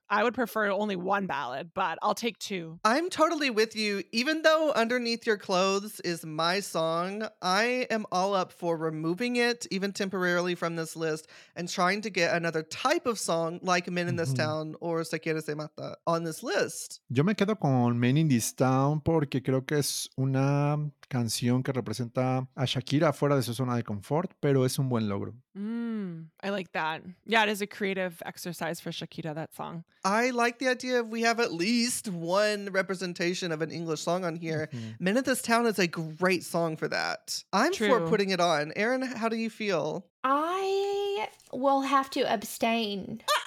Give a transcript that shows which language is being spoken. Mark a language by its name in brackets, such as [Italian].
[English] I would prefer only one ballad, but I'll take Two. I'm totally with you. Even though Underneath Your Clothes is my song, I am all up for removing it, even temporarily, from this list and trying to get another type of song like Men in This Town or Se Quiere Se Mata on this list. [Spanish] Yo me quedo con Men in This Town porque creo que es una canción que representa a Shakira fuera de su zona de confort, pero es un buen logro. [English] I like that. Yeah, it is a creative exercise for Shakira, that song. I like the idea of we have at least one representation of an English song on here. Men of This Town is a great song for that. I'm True. For putting it on. Aaron, how do you feel? I will have to abstain.